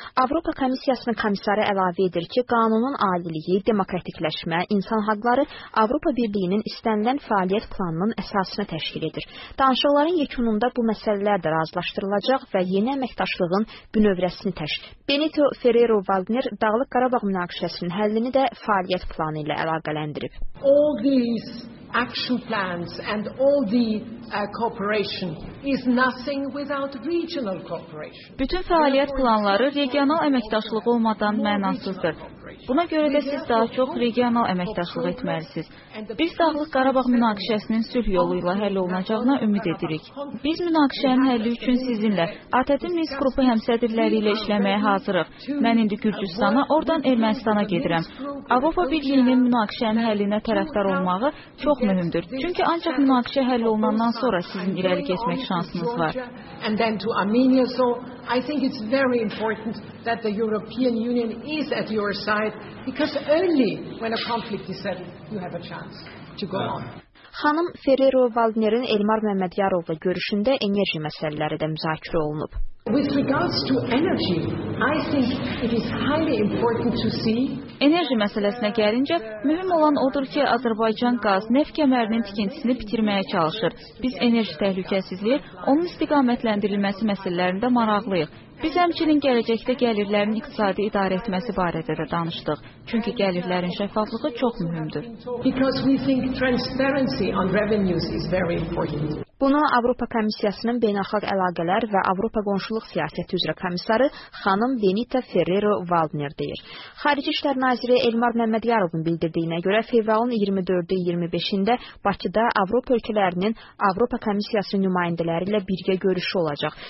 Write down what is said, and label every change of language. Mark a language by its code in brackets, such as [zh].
[az] Avropa Komissiyasının komissarı əlavə edir ki, qanunun aliliyi, demokratikləşmə, insan haqları Avropa Birliyinin istənilən fəaliyyət planının əsasını təşkil edir. Danışıqların yekununda bu məsələlər də razılaşdırılacaq və yeni əməkdaşlığın bünövrəsini təşkil edir. Benito Ferrero Waldner Dağlıq Qarabağ münaqişəsinin həllini də fəaliyyət planı ilə əlaqələndirib. [en] All these action plans and all the cooperation is nothing without regional cooperation. [az] Bütün fəaliyyət planları regional əməkdaşlıq olmadan mənasızdır. Buna görə də siz daha çox regional əməkdaşlıq etməlisiniz. Biz Dağlıq Qarabağ münaqişəsinin sülh yolu ilə həll olunacağına ümid edirik. Biz münaqişənin həlli üçün sizinlə, ATƏT-in Minsk qrupu həmsədrləri ilə işləməyə hazırıq. Mən indi Gürcüstana, oradan Ermənistana gedirəm. Avropa Birliyinin münaqişənin həllinə tərəfdar olmağı çox mühümdür. Çünki ancaq münaqişə həll olunandan sonra sizin irəli getmək şansınız var. [en] I think it's very important that the European Union is at your side because only when a conflict is settled you have a chance to go on. [az] Xanım Ferrero Waldner'in Elmar Məmmədyarovla görüşündə enerji məsələləri də müzakirə olunub. [en] With regards to energy, I think it is highly important to see. [az] Enerji məsələsinə gəlincə, mühüm olan odur ki, Azərbaycan qaz neft kəmərinin tikintisini bitirməyə çalışır. Biz enerji təhlükəsizliyi, onun istiqamətləndirilməsi məsələlərində maraqlıyıq. Biz həmçinin gələcəkdə gəlirlərin iqtisadi idarə etməsi barədə də danışdıq. Çünki gəlirlərin şəffaflığı çox mühümdür. [en] Because we think transparency on revenues is very important. [az] Bunu Avropa Komissiyasının Beynəlxalq Əlaqələr və Avropa Qonşuluq Siyasəti üzrə komissarı xanım Benita Ferrero Waldner deyir. Xarici İşlər Naziri Elmar Məmmədyarovun bildirdiyinə görə fevralın 24-25-də Bakıda Avropa ölkələrinin Avropa Komissiyası nümayəndələri ilə birgə görüşü olacaq.